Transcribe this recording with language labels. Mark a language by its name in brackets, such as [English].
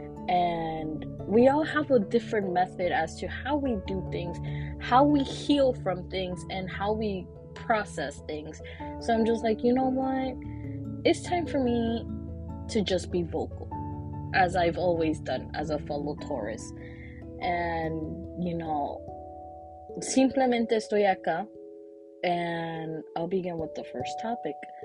[English] And we all have a different method as to how we do things, how we heal from things, and how we process things. So I'm just like, you know what? It's time for me to just be vocal, as I've always done as a fellow Taurus. And, you know, [Spanish] simplemente estoy acá. [English] And I'll begin with the first topic.